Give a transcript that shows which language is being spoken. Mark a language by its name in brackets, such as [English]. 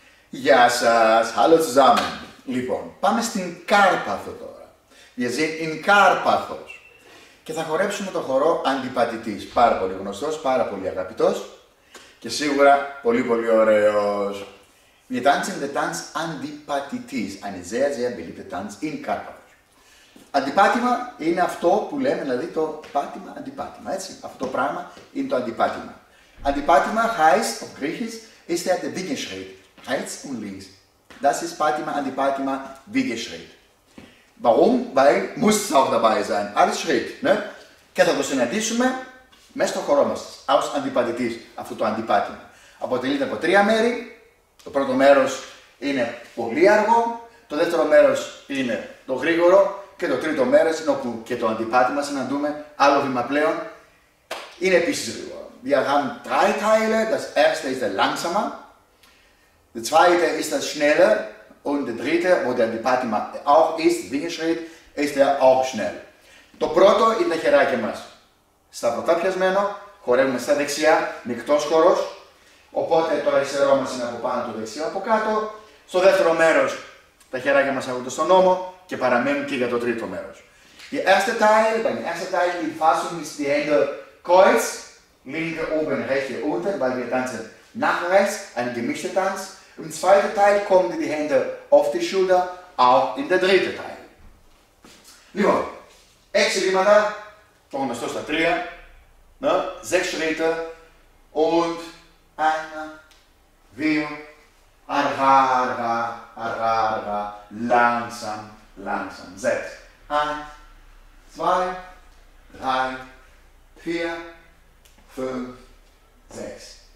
[Greek] Γεια σας, [German] hallo zusammen. [Greek] Λοιπόν, πάμε στην Κάρπαθο τώρα. [German] Wir sind in Karpathos. [Greek] Και θα χορέψουμε το χορό αντιπατητής. Πάρα πολύ γνωστός, πάρα πολύ αγαπητός και σίγουρα πολύ πολύ ωραίος. [German] Wir tanzen den Tanz Antipathetis, eine sehr sehr beliebte Tanz in Karpathos. [Greek] Αντιπάτημα είναι αυτό που λέμε, δηλαδή το πάτημα, αντιπάτημα, έτσι. Αυτό το πράγμα είναι το αντιπάτημα. [German] Αντιπάτημα heißt, auf Griechisch, ist der Wiegeschritt. Rechts und links. Das ist Patima, Antipatima, Wiegeschritt. Warum? Weil muss es auch dabei sein. Alles Schritt. Ne? [Greek] Και θα το συναντήσουμε μέσα στο χώρο μας, aus Antipatitis, αυτό το Antipatima. Αποτελείται από τρία μέρη. Το πρώτο μέρος είναι πολύ αργό. Το δεύτερο μέρος είναι το γρήγορο. Και το τρίτο μέρος είναι όπου και το Antipatima συναντούμε. Άλλο βήμα πλέον. Είναι επίσης γρήγορο. [German] Διαγράμμα drei Teile. Das erste ist der langsame. Der zweite ist das schnelle und der dritte, wo der Antipatima auch ist, Wiegeschritt, ist der auch schnell. [Greek] Το πρώτο είναι τα χεράκια μας. Σταυρωτά πιασμένο, χορεύουμε στα δεξιά, μεικτός χορός. Οπότε το αριστερό μας είναι από πάνω, το δεξιό από κάτω. Στο δεύτερο μέρος τα χεράκια μας έχουν στον ώμο και παραμένουν και για το τρίτο μέρος. [German] Η erste Teil, beim ersten Teil, die Fassung ist die Hände kreuz, linke oben, rechte unten, weil wir tanzen. Nach rechts, ein gemischter Tanz. Im zweiten Teil kommen die Hände auf die Schulter, auch in der dritten Teil. [Greek] Lieber, έξι βήματα, το γνωστό στα τρία, ne? [German] Sechs Schritte und [Greek] ένα, δύο, αργά, αργά, αργά, αργά, [German] langsam, langsam. Sechs. Eins, zwei, drei, vier, fünf, sechs.